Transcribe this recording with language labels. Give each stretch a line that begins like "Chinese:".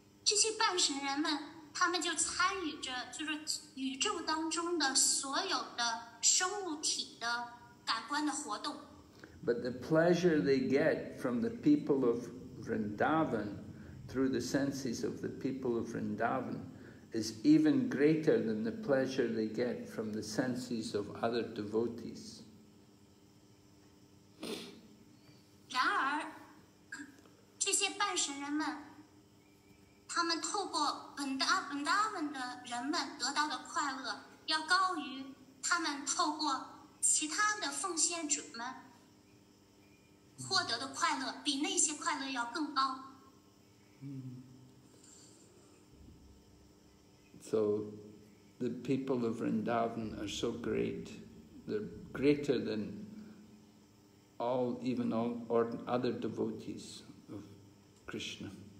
English: These But the pleasure they get from the people of Vrindavan, through the senses of the people of Vrindavan, is even greater than the pleasure they get from the senses of other devotees.
Chinese: 然而这些半神人们他们透过本达文达文的人们得到的快乐要高于他们透过其他的奉献者们获得的快乐比那些快乐要更高。
English: So the people of Vrindavan are so great, they're greater than all, even all or other devotees of Krishna.